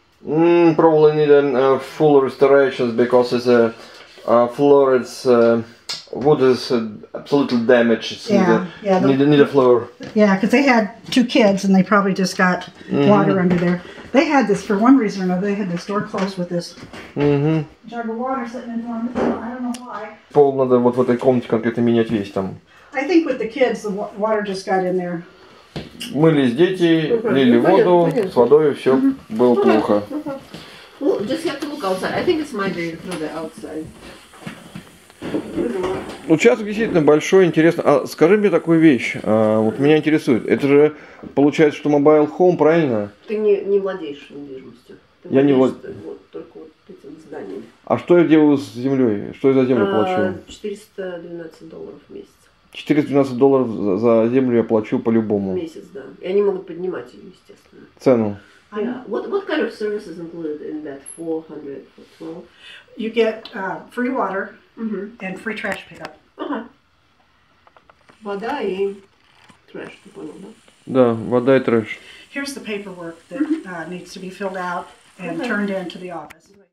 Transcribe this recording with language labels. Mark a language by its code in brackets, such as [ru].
[en] Probably need a full restoration because it's a floor. It's. Wood is absolutely damaged. It's need a floor. Yeah, because they had two kids and they probably just got water under there. They had this for one reason or another. They had this door closed with this jug of water sitting in one. I don't know why. [ru] Пол надо вот в этой комнате конкретно менять весь там. [en] I think with the kids, the water just got in there. [ru] Мылись дети, лили воду, с водой все было плохо. [en] Just have to look outside. I think it's my day through the outside. [ru] Участок действительно большой, интересно. А скажи мне такую вещь, вот меня интересует. Это же получается, что мобайл хоум, правильно? Ты не владеешь недвижимостью. Ты только вот этим зданием. А что я делаю с землей? Что я за землю плачу? $412 в месяц. $412 за землю я плачу по-любому. В месяц, да. И они могут поднимать ее, естественно. Цену. [en] What kind of services included in that $412? You get free water. And free trash pickup. [ru] Вода и трэш, ты понял, да? Да, вода и трэш. [en] Here's the paperwork that needs to be filled out and turned in to the office.